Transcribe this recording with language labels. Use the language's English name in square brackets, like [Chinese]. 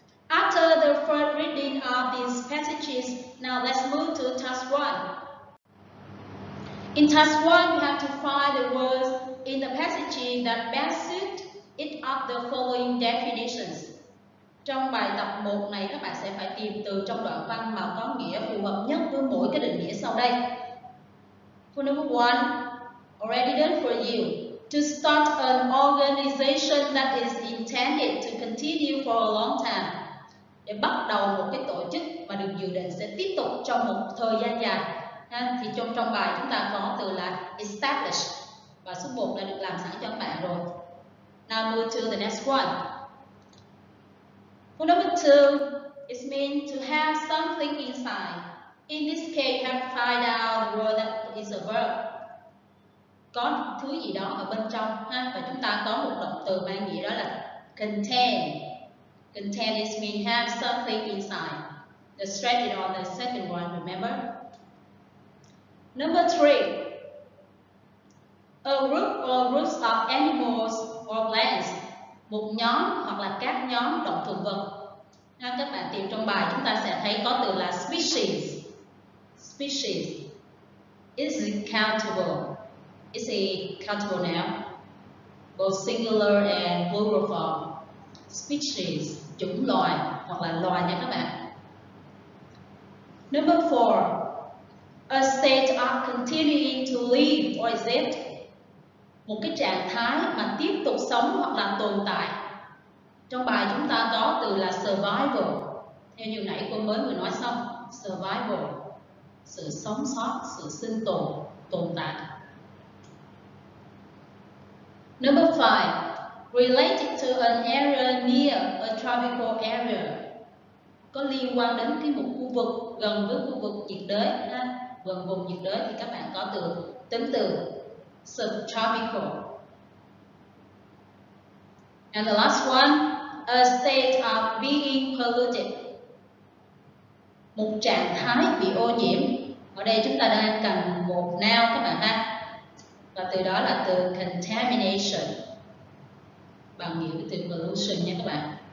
[English] After the first reading of these passages, now let's move to task one. In task one, you have to find the words in the passage that best suit it of the following definitions. [Vietnamese] Trong bài tập 1 này các bạn sẽ phải tìm từ trong đoạn văn mà có nghĩa phù hợp nhất với mỗi cái định nghĩa sau đây. [English] Phương number 1, already done for you. To start an organization that is intended to continue for a long time. [Vietnamese] Để bắt đầu một cái tổ chức mà được dự định sẽ tiếp tục trong một thời gian dài. Thì trong bài chúng ta có từ là establish. và số 1 đã được làm sẵn cho các bạn rồi. [English] Now move to the next one. For number 2, it means to have something inside. In this case, you have to find out the word that is a verb. [Vietnamese] Có thứ gì đó ở bên trong ha, và chúng ta có một động từ mang nghĩa đó là contain. [English] Contain is mean have something inside. The stress is on the second one, remember? Number 3. A group or groups of animals or plants. [Vietnamese] Một nhóm hoặc là các nhóm động thực vật. Ha, các bạn tìm trong bài chúng ta sẽ thấy có từ là species. [English] Species is countable. It's a countable noun, both singular and plural form. [Vietnamese] Species, chủng loài hoặc là loài nha các bạn. [English] Number 4. A state of continuing to live or exist. [Vietnamese] Một cái trạng thái mà tiếp tục sống hoặc là tồn tại. Trong bài chúng ta có từ là survival. Theo như nãy cô mới vừa nói xong, survival, sự sống sót, sự sinh tồn, tồn tại. [English] Number 5. Related to an area near a tropical area. [Vietnamese] Có liên quan đến cái một khu vực gần với khu vực nhiệt đới ha. Gần vùng nhiệt đới thì các bạn có từ tính từ subtropical. [English] And the last one, a state of being polluted. [Vietnamese] Một trạng thái bị ô nhiễm. Ở đây chúng ta đang cần một noun các bạn ha. Và từ đó là từ contamination, bằng nghĩa từ pollution nha các bạn.